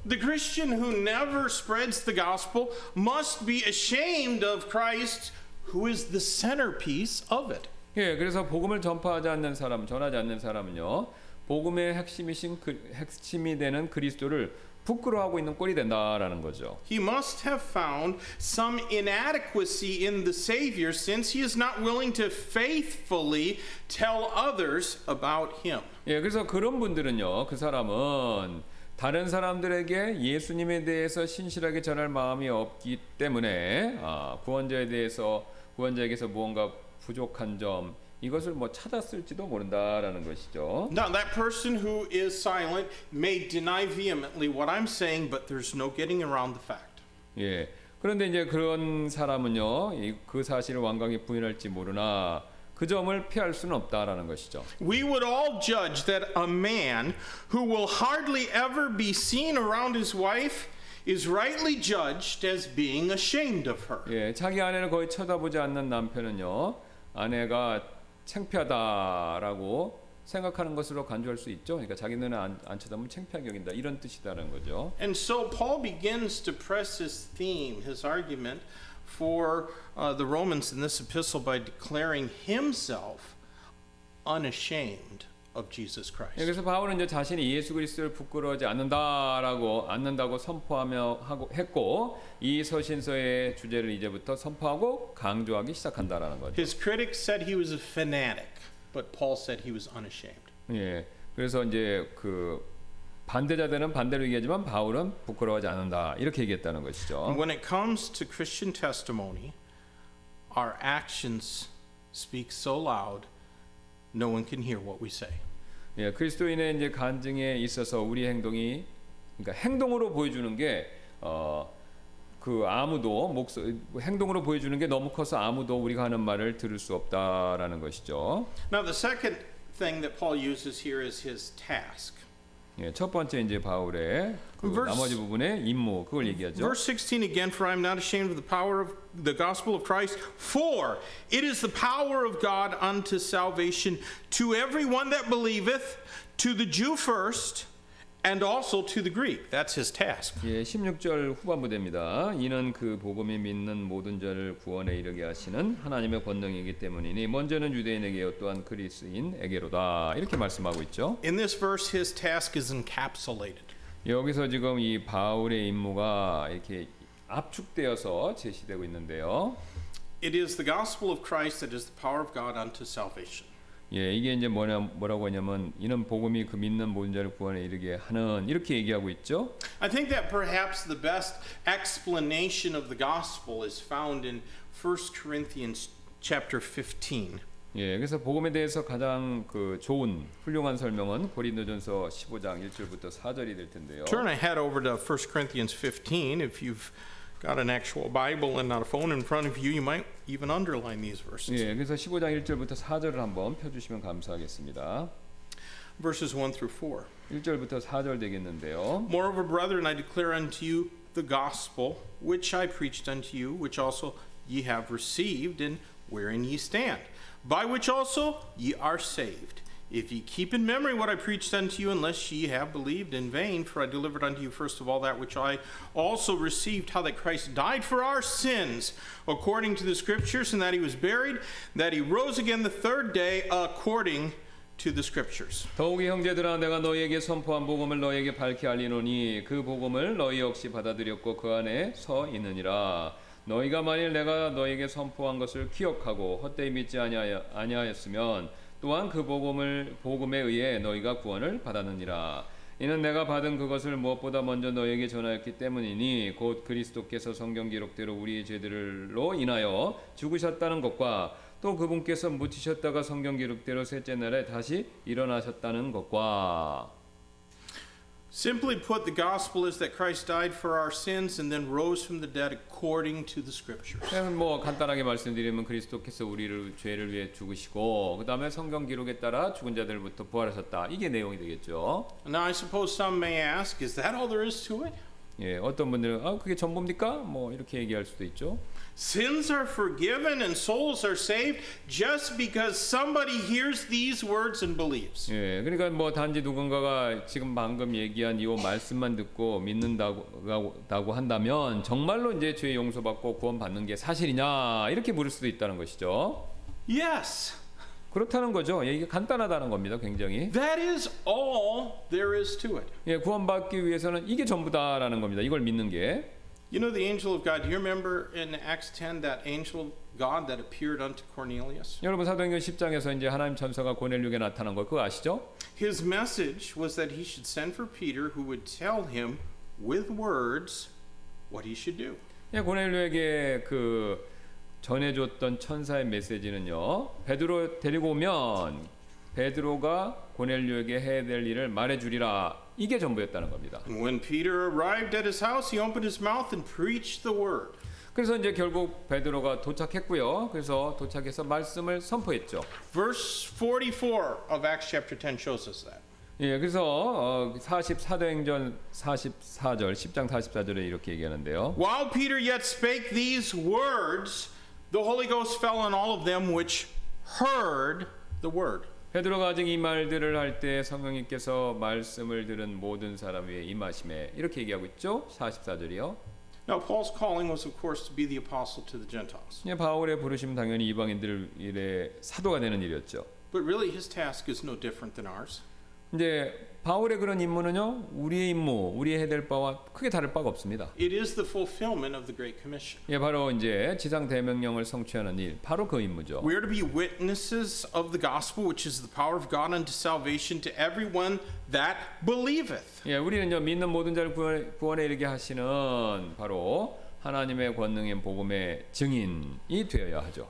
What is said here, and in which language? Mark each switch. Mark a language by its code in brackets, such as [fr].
[en] The Christian who never spreads the gospel must be ashamed of Christ, who is the centerpiece of it. [ko] 예, 그래서 복음을 전파하지 않는 사람, 전하지 않는 사람은요 복음의 핵심이신 핵심이 되는 그리스도를 부끄러워하고 있는 꼴이 된다라는 거죠. [en] He must have found some inadequacy in the Savior since he is not willing to faithfully tell others about him. [ko] 예, 그래서 그런 분들은요. 그 사람은 다른 사람들에게 예수님에 대해서 신실하게 전할 마음이 없기 때문에 구원자에 대해서 구원자에게서 무언가 부족한 점 이것을 뭐 찾았을지도 모른다라는 것이죠. [en] Now that person who is silent may deny vehemently what I'm saying, but there's no getting around the fact. [ko] 예, 그런데 이제 그런 사람은요, 그 사실을 완강히 부인할지 모르나 그 점을 피할 수는 없다라는 것이죠. [en] We would all judge that a man who will hardly ever be seen around his wife is rightly judged as being ashamed of her. [ko] 예, 자기 아내를 거의 쳐다보지 않는 남편은요, 아내가 창피하다라고 생각하는 것으로 간주할 수 있죠. 그러니까 자기는 안 쳐다보면 창피하게 여긴다 이런 뜻이다라는 거죠. [en] And so Paul begins to press his theme, his argument for the Romans in this epistle by declaring himself unashamed of Jesus Christ. [ko] 그래서 바울은 이제 자신이 예수 그리스도를 부끄러워하지 않는다라고 않는다고 선포하며 하고 했고 이 서신서의 주제를 이제부터 선포하고 강조하기 시작한다라는 거죠. [en] His critics said he was a fanatic, but Paul said he was unashamed. [ko] 예. 그래서 이제 그 반대자들은 반대로 얘기하지만 바울은 부끄러워하지 않는다. 이렇게 얘기했다는 것이죠. [en] When it comes to Christian testimony, our actions speak so loud no one can hear what we say. [ko] 예, 그리스도인의 이제 간증에 있어서 우리 행동이 그러니까 행동으로 보여주는 게 그 아무도 행동으로 보여주는 게 너무 커서 아무도 우리가 하는 말을 들을 수 없다라는 것이죠. [en] Now the second thing that Paul uses here is his task. [ko] 예, 첫 번째 이제 바울의 그 나머지 부분의 임무 그걸 얘기하죠. [en] Verse 16 again, for I am not ashamed of the power of the gospel of Christ, for it is the power of God unto salvation to everyone that believeth, to the Jew first, and also to the Greek. That's his task. [ko] 예, 16절 후반부 됩니다. 이는 그 복음이 믿는 모든 자를 구원에 이르게 하시는 하나님의 권능이기 때문이니 먼저는 유대인에게요 또한 그리스인에게로다. 이렇게 말씀하고 있죠. [en] In this verse his task is encapsulated. [ko] 여기서 지금 이 바울의 임무가 이렇게 압축되어서 제시되고 있는데요. [en] It is the gospel of Christ that is the power of God unto salvation. [ko] 예, 이게 이제 뭐라고 하냐면 이는 복음이 그 믿는 모든 자를 구원에 이르게 하는 이렇게 얘기하고 있죠. [en] I think that perhaps the best explanation of the gospel is found in 1 Corinthians chapter 15. [ko] 예, 그래서 복음에 대해서 가장 그 좋은 훌륭한 설명은 고린도전서 15장 1절부터 4절이 될 텐데요. [en] Turn ahead over to 1 Corinthians 15 if you've got an actual Bible and not a phone in front of you, you might even underline these verses. [ko] 예, 그래서 15장 1절부터 4절을 한번 펴주시면 감사하겠습니다. [en] Verses 1 through 4. [ko] 1절부터 4절 되겠는데요. [en] Moreover, brethren, I declare unto you the gospel which I preached unto you, which also ye have received, and wherein ye stand, by which also ye are saved, if ye keep in memory what I preached unto you, unless ye have believed in vain. For I delivered unto you first of all that which I also received, how that Christ died for our sins according to the scriptures, and that he was buried, that he rose again the third day according to the scriptures. [ko] 더욱이 형제들아 내가 너희에게 선포한 복음을 너희에게 밝히 알리노니 그 복음을 너희 역시 받아들였고 그 안에 서 있느니라. 너희가 만일 내가 너희에게 선포한 것을 기억하고 헛되이 믿지 아니하였으면 또한 그 복음을 복음에 의해 너희가 구원을 받았느니라. 이는 내가 받은 그것을 무엇보다 먼저 너에게 전하였기 때문이니 곧 그리스도께서 성경 기록대로 우리의 죄들로 인하여 죽으셨다는 것과 또 그분께서 묻히셨다가 성경 기록대로 셋째 날에 다시 일어나셨다는 것과 [en] Simply put, the gospel is that Christ died for our sins and then rose from the dead according to the scriptures. [ko] 뭐 간단하게 말씀드리면 그리스도께서 우리를 죄를 위해 죽으시고 그다음에 성경 기록에 따라 죽은 자들부터 부활하셨다. 이게 내용이 되겠죠. [en] Now I suppose some may ask, is that all there is to it? [ko] 예, 어떤 분들은 아, 그게 전부입니까? 뭐 이렇게 얘기할 수도 있죠. [en] Sins are forgiven and souls are saved just because somebody hears these words and believes. [ko] 예, 그러니까 뭐 단지 누군가가 지금 방금 얘기한 이 말씀만 듣고 믿는다고 한다면 정말로 이제 죄 용서받고 구원받는 게 사실이냐 이렇게 물을 수도 있다는 것이죠. [en] Yes. [ko] 그렇다는 거죠. 이게 간단하다는 겁니다. 굉장히. [en] That is all there is to it. [ko] 예, 구원받기 위해서는 이게 전부다라는 겁니다. 이걸 믿는 게. [en] You know the angel of God. Do you remember in Acts 10 that angel God that appeared unto Cornelius? [ko] 여러분 사도행전 10장에서 이제 하나님 천사가 고넬료에게 나타난 거 그거 아시죠? [en] His message was that he should send for Peter, who would tell him with words what he should do. [ko] 예, 고넬료에게 그 전해줬던 천사의 메시지는요. 베드로 데리고 오면 베드로가 고넬료에게 해야 될 일을 말해주리라. 이게 전부였다는 겁니다. [en] When Peter arrived at his house, he opened his mouth and preached the word. [ko] 그래서 이제 결국 베드로가 도착했고요. 그래서 도착해서 말씀을 선포했죠. [en] Verse 44 of Acts chapter 10 shows us that. [ko] 예, 그래서 사도행전 44절, 10장 44절에 이렇게 얘기하는데요. [en] While Peter yet spake these words, the Holy Ghost fell on all of them which heard the word. [ko] 베드로가 아직 이 말들을 할 때 성령님께서 말씀을 들은 모든 사람 위에 임하심에 이렇게 얘기하고 있죠. 44절이요. [en] Now Paul's calling was of course to be the apostle to the Gentiles. [ko] 예, 바울의 부르심 당연히 이방인들의 사도가 되는 일이었죠. [en] But really his task is no different than ours. [ko] 이제 바울의 그런 임무는요. 우리의 임무, 우리의 해야 될 바와 크게 다를 바가 없습니다. [en] It is the fulfillment of the great commission. [ko] 예, 바로 이제 지상 대명령을 성취하는 일, 바로 그 임무죠. [en] We are to be witnesses of the gospel which is the power of God unto salvation to everyone that believeth. [ko] 예, 우리는요. 믿는 모든 자를 구원에 이르게 하시는 바로 하나님의 권능인 복음의 증인이 되어야 하죠.